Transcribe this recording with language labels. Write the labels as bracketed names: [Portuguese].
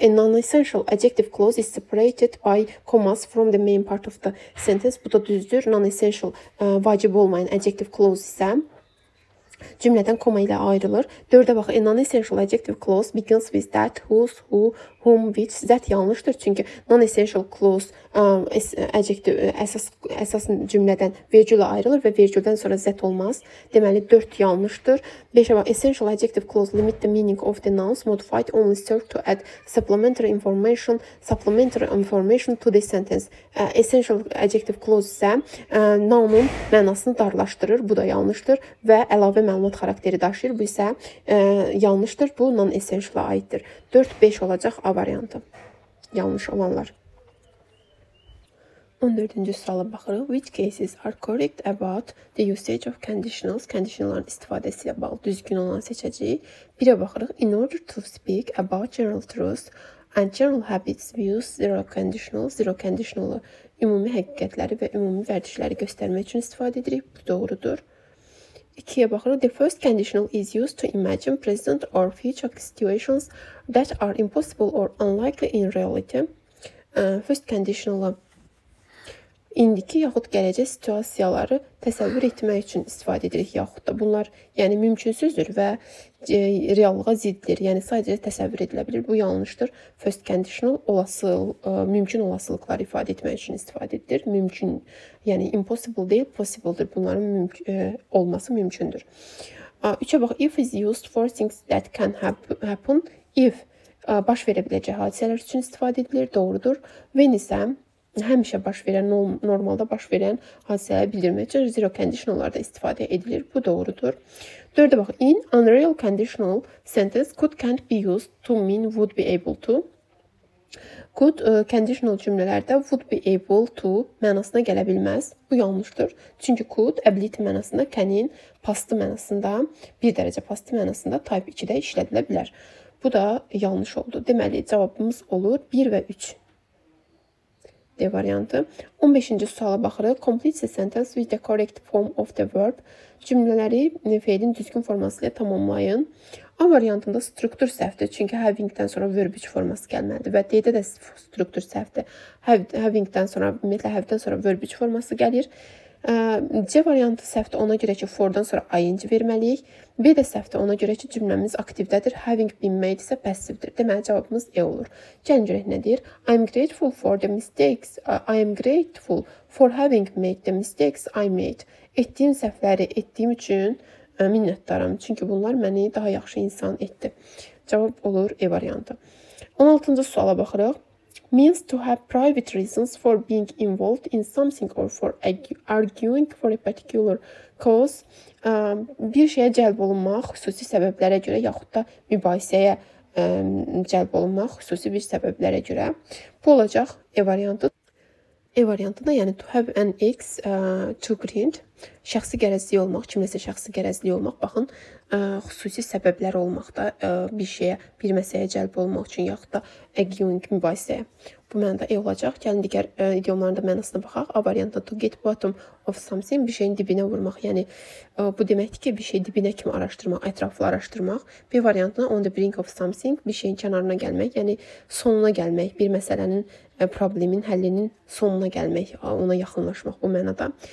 [English] A non-essential adjective clause is separated by commas from the main part of the sentence. [Azerbaijani] Bu da düzdür. Non-essential vacib olmayan adjective clause isə cümlədən koma ilə ayrılır. 4-ə baxıq. [English] Non-essential adjective clause begins with that, whose, who, whom, which. [Azerbaijani] That yanlışdır. Çünki non-essential clause əsas cümlədən virgülə ayrılır və virgüldən sonra that olmaz. Deməli, 4 yanlışdır. 5-ə baxıq. [English] Essential adjective clause limit the meaning of the nouns modified only serve to add supplementary information to the sentence. [Azerbaijani] Essential adjective clause isə nounun mənasını darlaşdırır. Bu da yanlışdır. Və əlavə məlumat xarakteri daşıyır. Bu isə yanlışdır. Bu non-essential-a aiddir. 4-5 olacaq A variantı. Yanlış olanlar. 14-cü suala baxırıq. [English] Which cases are correct about the usage of conditionals? [Azerbaijani] Conditionalların istifadəsi ilə bağlı düzgün olanı seçəcəyik. Birə baxırıq. [English] In order to speak about general truths and general habits, we use zero conditionals. [Azerbaijani] Zero conditional-ı ümumi həqiqətləri və ümumi vərdişləri göstərmək üçün istifadə edirik. Bu doğrudur. 2-yə baxırıq. [English] The first conditional is used to imagine present or future situations that are impossible or unlikely in reality. [Azerbaijani] First conditional-ı indiki yaxud gələcək situasiyaları təsəvvür etmək üçün istifadə edirik yaxud da. Bunlar yəni mümkünsüzdür və reallığa ziddir. Yəni sadəcə təsəvvür edilə bilir. Bu yanlışdır. First conditional mümkün olasılıqları ifadə etmək üçün istifadə edilir. Mümkün, yəni impossible deyil, possible-dir. Bunların olması mümkündür. 3-ə bax, [English] if is used for things that can happen, [Azerbaijani] if baş verə biləcək hadisələr üçün istifadə edilir, doğrudur. When isə həmişə baş verən, normalda baş verən hadisələri bildirmək üçün zero conditional-larda istifadə edilir. Bu doğrudur. 4-ə bax, [English] in unreal conditional sentence could can't be used to mean would be able to. [Azerbaijani] Could conditional cümlələrdə [English] would be able to [Azerbaijani] mənasına gələ bilməz. Bu yanlışdır. Çünki could ability mənasında, can-in pastı mənasında, bir dərəcə pastı mənasında type 2-də işlədilə bilər. Bu da yanlış oldu. Deməli, cavabımız olur 1 və 3. D variantı. 15-ci suala baxırıq. [English] Complete the sentence with the correct form of the verb. [Azerbaijani] Cümlələri fe'lin düzgün forması ilə tamamlayın. A variantında struktur səhvdir. Çünki having-dən sonra verb 3 forması gəlməlidir. Və D-də də struktur səhvdir. Having-dən sonra, ümumiyyətlə, have-dən sonra verb 3 forması gəlir. C variantı səhvdir. Ona görə ki, for-dan sonra ing verməliyik. B də səhvdir. Ona görə ki, cümləmiz aktivdədir. Having been made isə passive-dir. Deməli, cavabımız E olur. Gəlin görək nə deyir? [English] I am grateful for the mistakes. I am grateful for having made the mistakes I made. [Azerbaijani] Etdiyim səhvləri etdiyim üçün minnətdaram. Çünki bunlar məni daha yaxşı insan etdi. Cavab olur E variantı. 16-cı suala baxırıq. [English] Means to have private reasons for being involved in something or for arguing for a particular cause. [Azerbaijani] Bir şeyə cəlb olunmaq xüsusi səbəblərə görə, yaxud da mübahisəyə cəlb olunmaq xüsusi bir səbəblərə görə. Bu olacaq E variantı. E variantında, yəni [English] to have an X, to grind, [Azerbaijani] şəxsi qərəzli olmaq, kimləsə şəxsi qərəzli olmaq, baxın, xüsusi səbəblər olmaq da bir şeyə, bir məsələyə cəlb olmaq üçün, yaxud da arguing mübahisəyə. Bu mənada E olacaq. Gəlin digər idiomlarında mənasına baxaq. A variantında [English] to get bottom of something, [Azerbaijani] bir şeyin dibinə vurmaq. Yəni, bu deməkdir ki, bir şey dibinə kimi araşdırmaq, ətraflı araşdırmaq. B variantına [English] on the brink of something, [Azerbaijani] bir şeyin kənarına gəlmək, yəni sonuna gəlmək, bir məsələnin, problemin həllinin sonuna gəlmək, ona yaxınlaşmaq bu mənada.